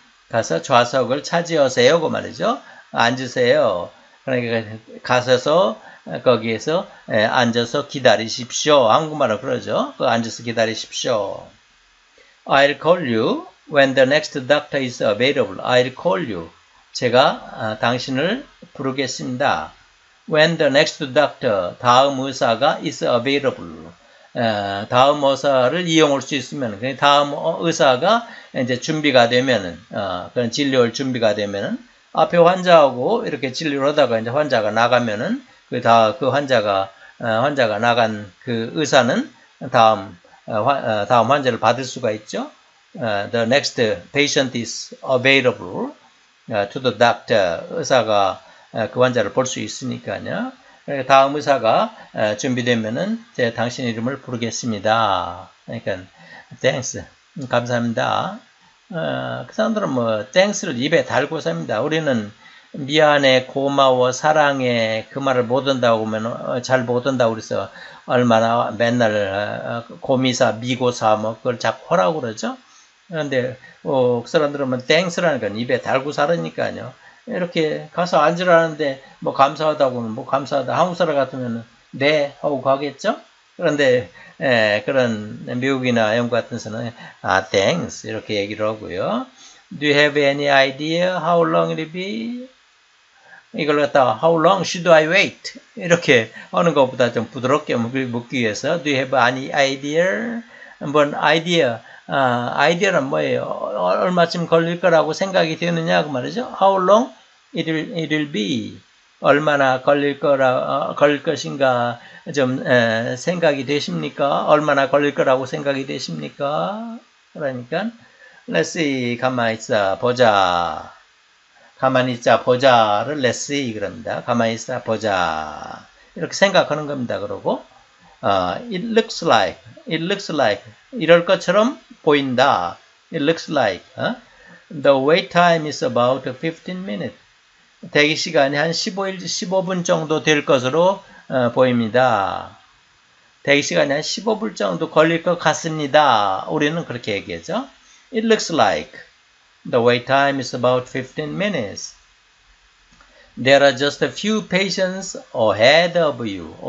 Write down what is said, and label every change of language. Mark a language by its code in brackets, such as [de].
[ko] 가서 좌석을 차지하세요. 그 말이죠. 앉으세요. 그러니까 가서서 거기에서 앉아서 기다리십시오. 한국말로 그러죠. 앉아서 기다리십시오. [en] I'll call you when the next doctor is available. I'll call you. [ko] 제가 당신을 부르겠습니다. [en] When the next doctor, [ko] 다음 의사가 [en] is available. [ko] 다음 의사를 이용할 수 있으면, 다음 의사가 이제 준비가 되면은, 그런 진료를 준비가 되면은, 앞에 환자하고 이렇게 진료를 하다가 이제 환자가 나가면은, 환자가 나간 그 의사는 다음 환자를 받을 수가 있죠. [en] The next patient is available to the doctor. [ko] 의사가 그 환자를 볼수 있으니까요. 다음 의사가 준비되면은 제가 당신 이름을 부르겠습니다. 그러니까 thanks, 감사합니다. 그 사람들은 뭐 thanks를 입에 달고 삽니다. 우리는 미안해, 고마워, 사랑해 그 말을 못 한다고 하면 잘못 한다고 그래서 얼마나 맨날 고미사, 미고사 뭐 그걸 자꾸 하라고 그러죠. 그런데 그 사람들은 뭐 thanks라는 건 입에 달고 사니까요. 이렇게 가서 앉으라는데 뭐 감사하다고 하면 뭐 감사하다 한국 사람 같으면 네 하고 가겠죠. 그런데 그런 미국이나 영국 같은 데서는 아 thanks 이렇게 얘기를 하고요. [en] Do you have any idea how long it'll be? [ko] 이걸 갖다가 [en] How long should I wait? [ko] 이렇게 하는 것보다 좀 부드럽게 묻기 위해서 [en] Do you have any idea? [ko] 한번 [en] idea. [ko] 아이디어는 뭐예요? 얼마쯤 걸릴 거라고 생각이 되느냐 그 말이죠. [en] How long it'll be? [ko] 얼마나 걸릴 것인가 좀 생각이 되십니까? 얼마나 걸릴 거라고 생각이 되십니까? 그러니까 [en] Let's see, [ko] 가만히 있어 보자. 가만히 있자 보자를 [en] Let's see [ko] 그럽니다. 가만히 있어 보자 이렇게 생각하는 겁니다. 그러고 [en] It looks like [ko] 이럴 것처럼 보인다. [en] It looks like, The wait time is about 15 minutes. [ko] 대기 시간이 한 15분 정도 될 것으로 보입니다. 대기 시간이 한 15분 정도 걸릴 것 같습니다. 우리는 그렇게 얘기하죠. [en] It looks like the wait time is about 15 minutes. There are just a few patients ahead of you.